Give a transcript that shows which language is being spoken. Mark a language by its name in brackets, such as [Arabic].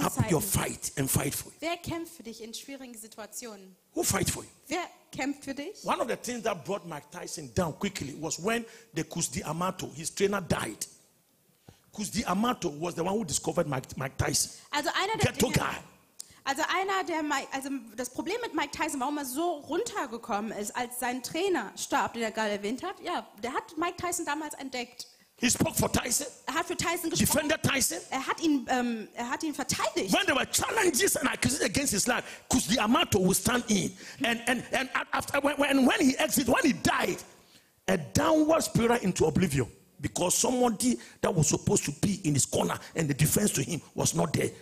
[English] Who takes up your fight and fight for you? [German] Wer kämpft für dich in schwierigen Situationen? [English] Who fight for you? [German] Wer kämpft für dich? [English] One of the things that brought Mike Tyson down quickly was when the Kusdi Amato, his trainer, died. Kusdi Amato was the one who discovered Mike Tyson. [German] Also einer der Dinge. Also einer der also das Problem mit Mike Tyson, warum er so runtergekommen ist, als sein Trainer starb, den er gerade erwähnt hat, ja, der hat Mike Tyson damals entdeckt. [English] He spoke for Tyson. [German] Er hat für Tyson gesprochen. [English] Defended Tyson. [German] Er hat ihn verteidigt. [English] When there were challenges and accusations against his life, Kusdi Amato would stand in. And after when he exited, when he died, a downward spiral into oblivion. Because somebody that was supposed to be in his corner and the defense to him was not there.